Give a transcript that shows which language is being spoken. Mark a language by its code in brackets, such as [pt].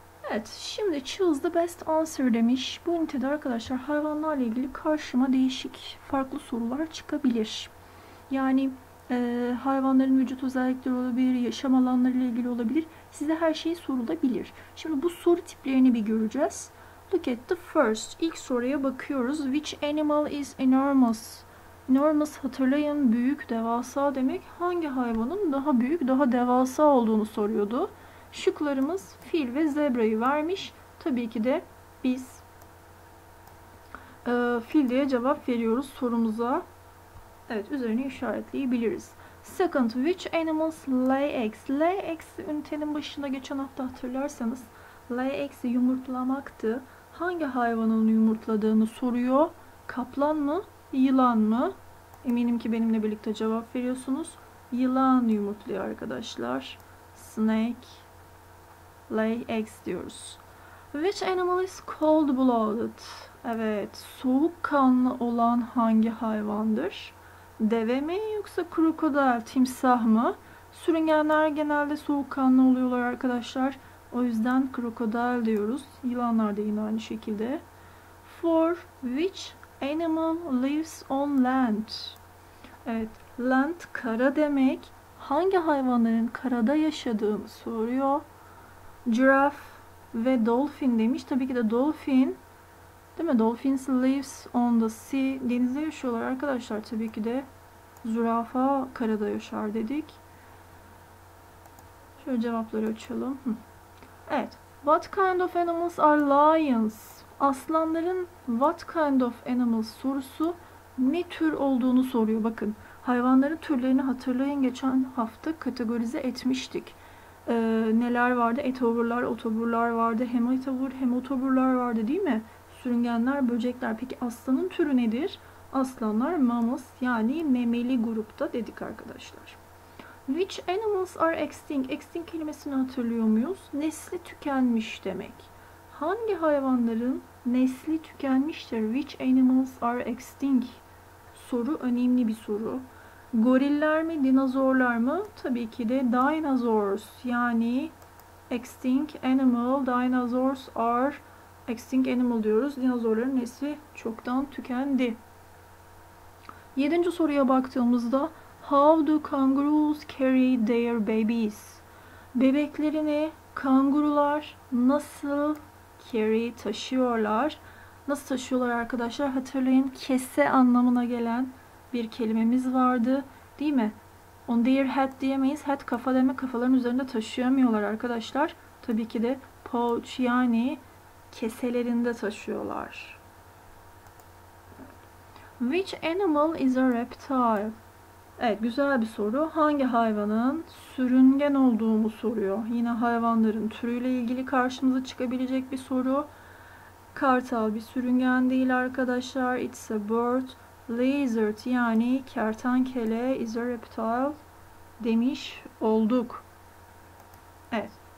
[tr] Evet, şimdi [en] choose the best answer [tr] demiş. Bu ünitede arkadaşlar hayvanlarla ilgili karşıma değişik farklı sorular çıkabilir. Yani hayvanların vücut özellikleri olabilir, yaşam alanları ile ilgili olabilir. Size her şey sorulabilir. Şimdi bu soru tiplerini bir göreceğiz. [en] Look at the first. [tr] İlk soruya bakıyoruz. [en] Which animal is enormous? [tr] Enormous hatırlayın, büyük, devasa demek. Hangi hayvanın daha büyük, daha devasa olduğunu soruyordu. Şıklarımız fil ve zebrayı vermiş. Tabii ki de biz fil diye cevap veriyoruz sorumuza. Evet, üzerine işaretleyebiliriz. [en] Second, which animals lay eggs? [tr] Lay eggs ünitenin başında geçen hafta hatırlarsanız lay eggs yumurtlamaktı. Hangi hayvanın yumurtladığını soruyor. Kaplan mı? Yılan mı? Eminim ki benimle birlikte cevap veriyorsunuz. Yılan yumurtluyor arkadaşlar. [en] Snake lay eggs [tr] diyoruz. [en] Which animal is cold-blooded? [tr] Evet, soğukkanlı olan hangi hayvandır? Deve mi yoksa krokodil, timsah mı? Sürüngenler genelde soğukkanlı oluyorlar arkadaşlar. O yüzden krokodil diyoruz. Yılanlar da yine aynı şekilde. [en] For which animal lives on land? [tr] Evet, land kara demek. Hangi hayvanların karada yaşadığını soruyor. Giraffe ve dolphin demiş. Tabii ki de dolphin. Değil mi? [en] Dolphins lives on the sea. [tr] Denizde yaşıyorlar arkadaşlar. Tabii ki de zürafa karada yaşar dedik. Şöyle cevapları açalım. Evet. [en] What kind of animals are lions? [tr] Aslanların [en] what kind of animals [tr] sorusu ne tür olduğunu soruyor. Bakın, hayvanların türlerini hatırlayın. Geçen hafta kategorize etmiştik. Neler vardı? Etoburlar, otoburlar vardı. Hem etobur hem otoburlar vardı, değil mi? Sürüngenler, böcekler. Peki aslanın türü nedir? Aslanlar mammals yani memeli grupta dedik arkadaşlar. [en] Which animals are extinct? [tr] Extinct kelimesini hatırlıyor muyuz? Nesli tükenmiş demek. Hangi hayvanların nesli tükenmiştir? [en] Which animals are extinct? [tr] Soru önemli bir soru. Goriller mi, dinozorlar mı? Tabii ki de dinosaurs. Yani [en] extinct animal, dinosaurs are extinct animal [tr] diyoruz. Dinozorların nesli çoktan tükendi. Yedinci soruya baktığımızda [en] How do kangaroos carry their babies? [tr] Bebeklerini kangurular nasıl carry taşıyorlar? Nasıl taşıyorlar arkadaşlar? Hatırlayın, kese anlamına gelen bir kelimemiz vardı, değil mi? [en] On their head [tr] diyemeyiz. Head kafa demek. Kafaların üzerinde taşıyamıyorlar arkadaşlar. Tabii ki de pouch yani keselerinde taşıyorlar. [en] Which animal is a reptile? [tr] Evet, güzel bir soru. Hangi hayvanın sürüngen olduğunu soruyor. Yine hayvanların türüyle ilgili karşımıza çıkabilecek bir soru. Kartal bir sürüngen değil arkadaşlar. [en] It's a bird. Lizard [tr] yani kertenkele [en] is a reptile [tr] demiş olduk. Evet.